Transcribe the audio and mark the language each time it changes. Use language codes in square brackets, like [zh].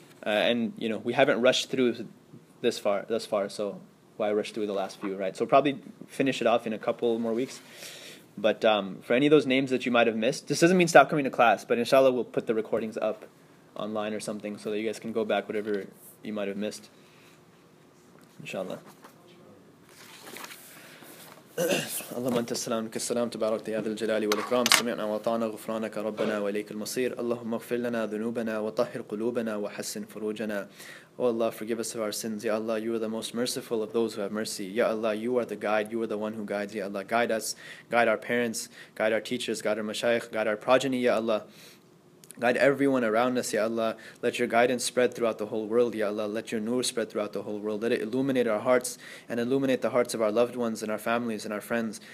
[en] And, you know, we haven't rushed through thus far, so why rush through the last few, right? So we'll probably finish it off in a couple more weeks. But for any of those names that you might have missed, this doesn't mean stop coming to class, but inshallah we'll put the recordings up online or something so that you guys can go back whatever you might have missed. Inshallah. [ar] اللهم انت السلام لك السلام تبارك يا ذا الجلال والاكرام سمعنا وطعنا غفرانك ربنا وليك المصير اللهم اغفر لنا ذنوبنا وطهر قلوبنا وحسن فروجنا [en] O Allah, forgive us of our sins. Ya Allah, You are the most merciful of those who have mercy. Ya Allah, You are the guide. You are the one who guides. Ya Allah, guide us. Guide our parents. Guide our teachers. Guide our mashayikh. Guide our progeny. Ya Allah. Guide everyone around us, Ya Allah. Let Your guidance spread throughout the whole world, Ya Allah. Let Your nur spread throughout the whole world. Let it illuminate our hearts and illuminate the hearts of our loved ones and our families and our friends.